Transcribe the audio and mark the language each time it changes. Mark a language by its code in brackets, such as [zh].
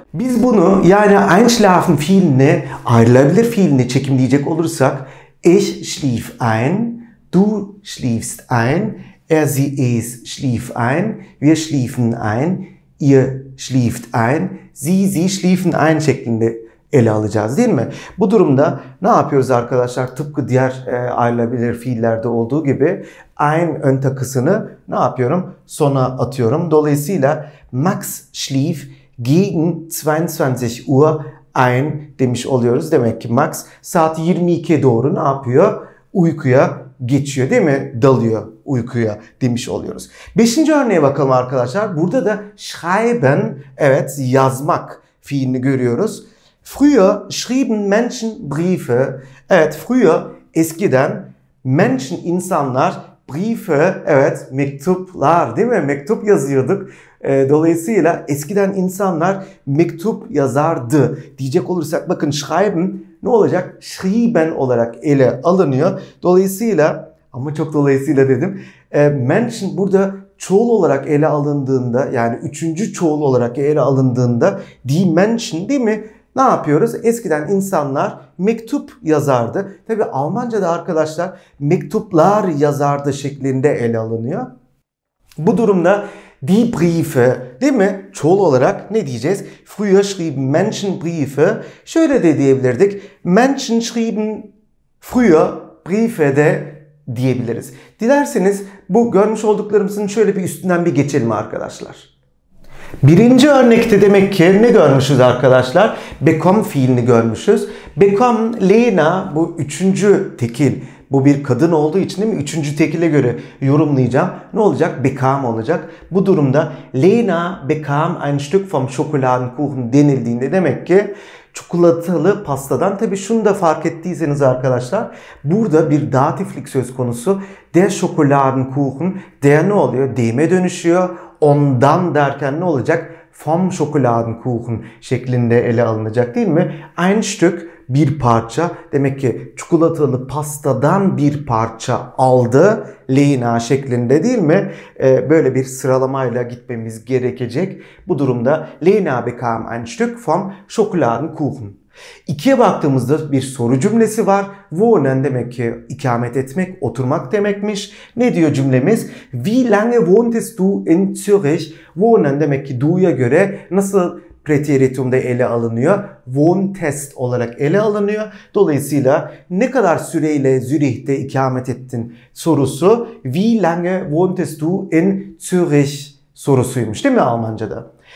[tr] Biz bunu, yani einschlafen fiilini ayrılabilir fiilini çekimleyecek olursak [de] ich schlief ein, du schliefst ein, er sie es schlief ein, wir schliefen ein, ihr schlieft ein, sie schliefen ein [tr] şeklinde ele alacağız, değil mi? Bu durumda ne yapıyoruz arkadaşlar? Tıpkı diğer ayrılabilir fiillerde olduğu gibi ein ön takısını ne yapıyorum? Sona atıyorum. Dolayısıyla [de] Max schlief gegen 22 Uhr ein [tr] demiş oluyoruz. Demek ki Max saat 22'ye doğru ne yapıyor? Uykuya geçiyor, değil mi? Dalıyor uykuya demiş oluyoruz. Beşinci örneğe bakalım arkadaşlar. Burada da schreiben, evet yazmak fiilini görüyoruz. [de] Früher schrieben Menschen Briefe. [tr] Evet, früher eskiden Menschen insanlar Briefe, evet mektuplar, değil mi? Mektup yazıyorduk. Dolayısıyla eskiden insanlar mektup yazardı diyecek olursak bakın schreiben ne olacak? Schrieben olarak ele alınıyor. Dolayısıyla, ama çok dolayısıyla dedim. Menschen burada çoğul olarak ele alındığında, yani üçüncü çoğul olarak ele alındığında die Menschen, değil mi? Ne yapıyoruz? Eskiden insanlar mektup yazardı. Tabi Almanca'da arkadaşlar mektuplar yazardı şeklinde ele alınıyor. Bu durumda die Briefe, değil mi? Çoğul olarak ne diyeceğiz? [de] Früher schrieben Menschen Briefe. [tr] Şöyle de diyebilirdik. [de] Menschen schrieben früher Briefe [tr] de diyebiliriz. Dilerseniz bu görmüş olduklarımızın şöyle bir üstünden bir geçelim arkadaşlar. Birinci örnekte demek ki ne görmüşüz arkadaşlar? Bekommen fiilini görmüşüz. Bekommen, Lena, bu üçüncü tekil. Bu bir kadın olduğu için, değil mi? Üçüncü tekile göre yorumlayacağım. Ne olacak? Bekam olacak. Bu durumda [de] Lena bekam ein Stück vom Schokoladenkuchen [tr] denildiğinde demek ki çikolatalı pastadan. Tabii şunu da fark ettiyseniz arkadaşlar, burada bir datiflik söz konusu. Der Schokoladenkuchen, der ne oluyor? Deme dönüşüyor. Ondan derken ne olacak? Vom Schokoladenkuchen şeklinde ele alınacak, değil mi? Ein Stück, bir parça. Demek ki çikolatalı pastadan bir parça aldı. Lena şeklinde, değil mi? Böyle bir sıralamayla gitmemiz gerekecek. Bu durumda [de] Lena bekam ein Stück vom Schokoladenkuchen. [tr] İkiye baktığımızda bir soru cümlesi var. Wohnen demek ki ikamet etmek, oturmak demekmiş. Ne diyor cümlemiz? [de] Wie lange wohntest du in Zürich? [tr] Wohnen demek ki du'ya göre nasıl preteritumda ele alınıyor? Wohntest olarak ele alınıyor. Dolayısıyla ne kadar süreyle Zürich'te ikamet ettin sorusu [de] Wie lange wohntest du in Zürich [tr] sorusuymuş, değil mi Almanca'da?